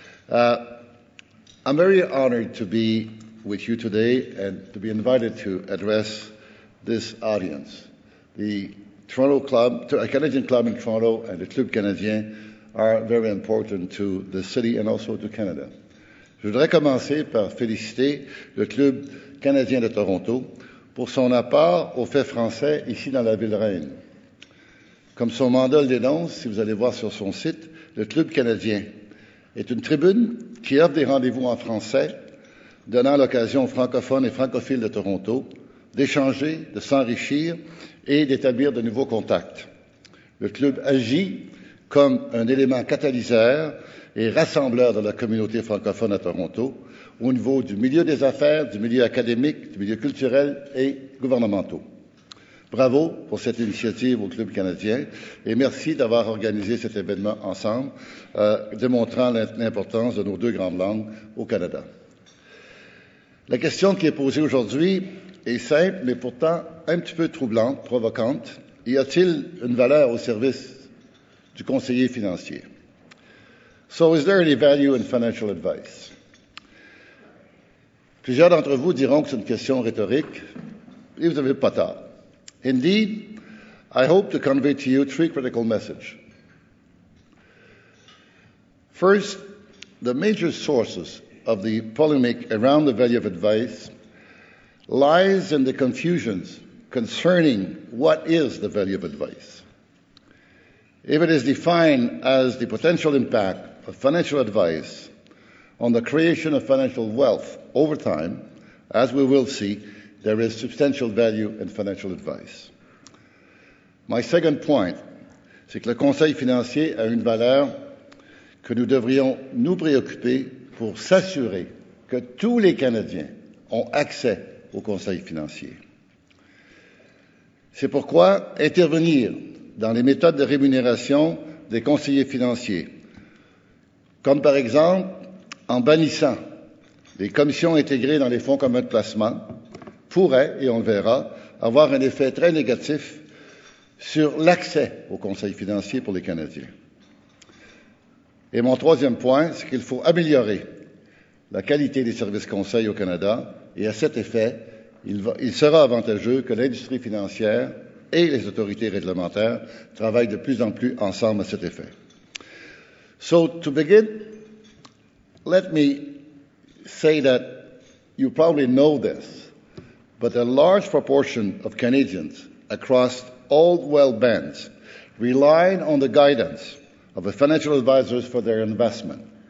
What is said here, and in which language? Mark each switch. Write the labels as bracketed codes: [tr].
[en] I'm very honored to be with you today and to be invited to address this audience. The Toronto Club, a Canadian club in Toronto, and the Club Canadien are very important to the city and also to Canada. [fr] Je voudrais commencer par féliciter le Club Canadien de Toronto pour son apport aux faits français ici dans la ville reine. Comme son mandat le dénonce, si vous allez voir sur son site, le Club Canadien est une tribune qui offre des rendez-vous en français, donnant l'occasion aux francophones et francophiles de Toronto d'échanger, de s'enrichir et d'établir de nouveaux contacts. Le Club agit comme un élément catalyseur et rassembleur de la communauté francophone à Toronto, au niveau du milieu des affaires, du milieu académique, du milieu culturel et gouvernemental. Bravo pour cette initiative au Club canadien et merci d'avoir organisé cet événement ensemble, démontrant l'importance de nos deux grandes langues au Canada. La question qui est posée aujourd'hui est simple, mais pourtant un petit peu troublante, provocante. Y a-t-il une valeur au service du conseiller financier? [en] So is there any value in financial advice? [fr] Plusieurs d'entre vous diront que c'est une question rhétorique, et vous n'avez pas tort. [en] Indeed, I hope to convey to you three critical messages. First, the major sources of the polemic around the value of advice lies in the confusions concerning what is the value of advice. If it is defined as the potential impact of financial advice on the creation of financial wealth over time, as we will see, there is substantial value in financial advice. My second point, [fr] c'est que le conseil financier a une valeur que nous devrions nous préoccuper pour s'assurer que tous les Canadiens ont accès au conseil financier. C'est pourquoi intervenir dans les méthodes de rémunération des conseillers financiers, comme par exemple en bannissant les commissions intégrées dans les fonds communs de placement, pourrait, et on le verra, avoir un effet très négatif sur l'accès au conseil financier pour les Canadiens. Et mon troisième point, c'est qu'il faut améliorer la qualité des services conseil au Canada, et à cet effet, il sera avantageux que l'industrie financière et les autorités réglementaires travaillent de plus en plus ensemble à cet effet. [en] So, to begin, let me say that you probably know this, but a large proportion of Canadians across all wealth bands rely on the guidance of a financial advisor for their investment.